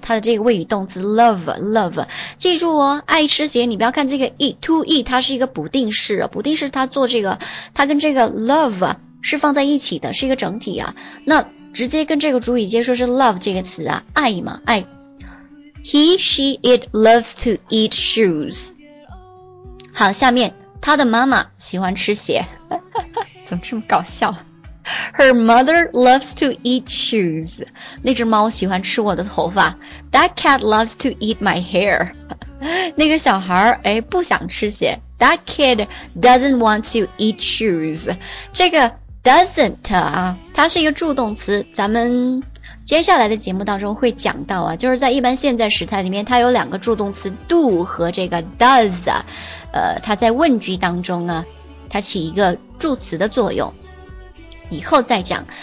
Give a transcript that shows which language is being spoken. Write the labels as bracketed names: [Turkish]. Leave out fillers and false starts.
[Chinese] 它的这个谓语动词 love， 记住哦，爱吃鞋。你不要看这个 eat， 它是一个不定式，不定式它做这个，它跟这个 love 是放在一起的，是一个整体啊。那直接跟这个主语接说是 love 这个词啊，爱嘛，爱。 [English] He, she, it loves to eat shoes. [Chinese] 好，下面。她的妈妈喜欢吃鞋，怎么这么搞笑 ？ [English] Her mother loves to eat shoes. [Chinese] 那只猫喜欢吃我的头发。 [English] That cat loves to eat my hair. [Chinese] 那个小孩哎，不想吃鞋。 [English] That kid doesn't want to eat shoes. [Chinese] 这个 doesn't 啊，它是一个助动词，咱们接下来的节目当中会讲到啊，就是在一般现在时态里面，它有两个助动词 do 和这个 does。它在问句当中呢，它起一个助词的作用，以后再讲。